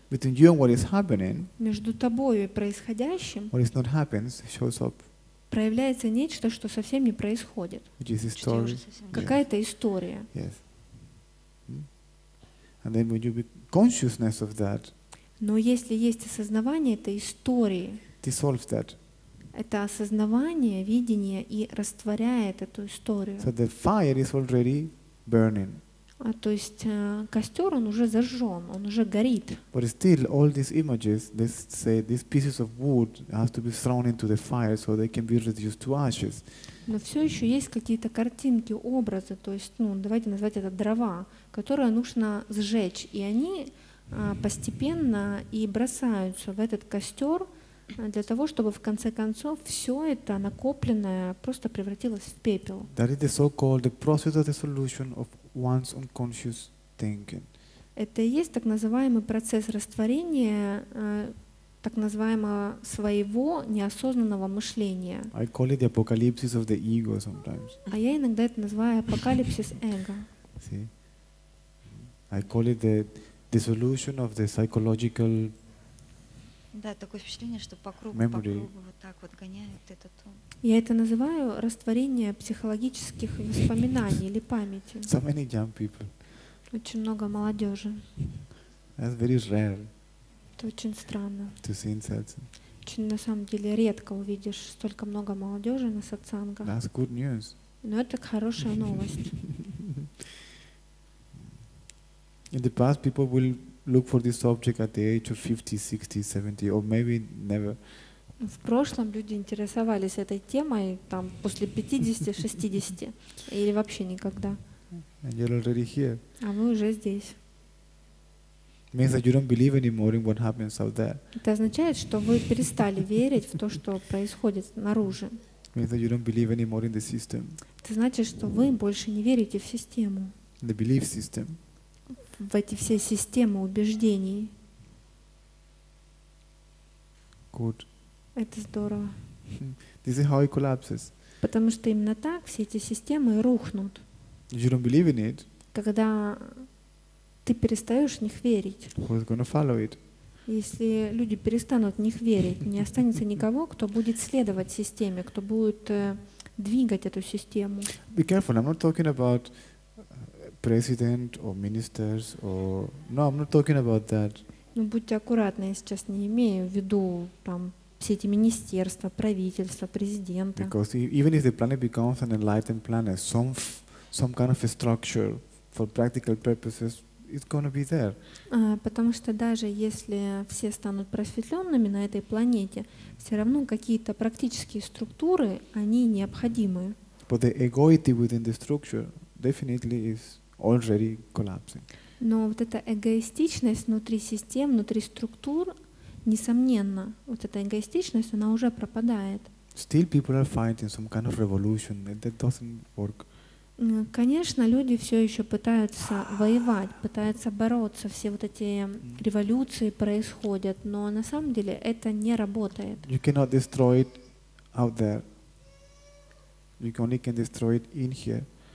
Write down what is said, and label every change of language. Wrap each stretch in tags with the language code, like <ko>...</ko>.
<en>Between you and what is happening.</en> <ru>Между тобой и происходящим.</ru> <en>What is not happens shows up.</en> <ru>Проявляется нечто, что совсем не происходит. Какая-то история.</ru> <en>Yes. And then when you be consciousness of that.</en> <ru>Но если есть осознавание этой истории,</ru> <en>dissolves that.</en> <ru>Это осознавание, видение и растворяет эту историю.</ru> <en>So the fire is already burning.</en> <ru>А то есть костер он уже зажжен, он уже горит.</ru> <en>But still, all these images, they say these pieces of wood have to be thrown into the fire so they can be reduced to ashes.</en> <ru>Но все еще есть какие-то картинки, образы, то есть, ну, давайте назвать это дрова, которые нужно сжечь, и они постепенно и бросаются в этот костер для того, чтобы в конце концов все это накопленное просто превратилось в пепел.</ru> <en>That is the so-called process of dissolution of one's unconscious thinking.</en> <ru>Это и есть так называемый процесс растворения так называемого своего неосознанного мышления.</ru> <en>I call it the apocalypse of the ego sometimes.</en> <ru>А я иногда это называю апокалипсис эго.</ru> <en>See? I call it the dissolution of the psychological memory.</en> <ru>Да, такое впечатление, что по кругу вот так вот гоняют этот ум. Я это называю растворение психологических воспоминаний или памяти.</ru> <en>So many young people.</en> <ru>Очень много молодежи.</ru> <en>That's very rare.</en> <ru>Это очень странно.</ru> <en>To see in satsang.</en> <ru>Очень, на самом деле, редко увидишь столько много молодежи на сатсангах.</ru> <en>That's good news.</en> <ru>Но это хорошая новость.</ru> <en>In the past, people will look for this object at the age of 50, 60, 70, or maybe never.</en> <ru>В прошлом люди интересовались этой темой там после 50-60 или вообще никогда.</ru> <en>And you're already here.</en> <ru>А вы уже здесь.</ru> <en>Means that you don't believe anymore in what happens out there.</en> <ru>Это означает, что вы перестали верить в то, что происходит снаружи.</ru> <en>Means that you don't believe anymore in the system.</en> <ru>Это значит, что вы больше не верите в систему.</ru> <en>The belief system.</en> <ru>В эти все системы убеждений.</ru> <en>Good.</en> <ru>Это здорово.</ru> <en>This is how it collapses.</en> <ru>Потому что именно так все эти системы рухнут.</ru> <en>You don't believe in it.</en> <ru>Когда ты перестаешь в них верить.</ru> <en>Who is going to follow it?</en> <ru>Если люди перестанут в них верить, не останется никого, кто будет следовать системе, кто будет двигать эту систему.</ru> <en>Be careful, I'm not talking about president or ministers or no, I'm not talking about that.</en> <ru>Ну будьте аккуратны, я сейчас не имею в виду там все эти министерства, правительства, президента.</ru> <en>Because even if the planet becomes an enlightened planet, some kind of a structure for practical purposes, it's going to be there.</en> <ru>Потому что даже если все станут просветленными на этой планете, все равно какие-то практические структуры они необходимы.</ru> <en>But the egoity within the structure definitely is already collapsing.</en> <ru>Но вот эта эгоистичность внутри систем, внутри структур, несомненно, вот эта эгоистичность, она уже пропадает.</ru> <en>Still people are fighting some kind of revolution, and that doesn't work.</en> <ru>Конечно, люди все еще пытаются воевать, пытаются бороться, все вот эти революции происходят, но на самом деле это не работает.</ru> <en>You cannot destroy it out there. You only can destroy it in here.</en>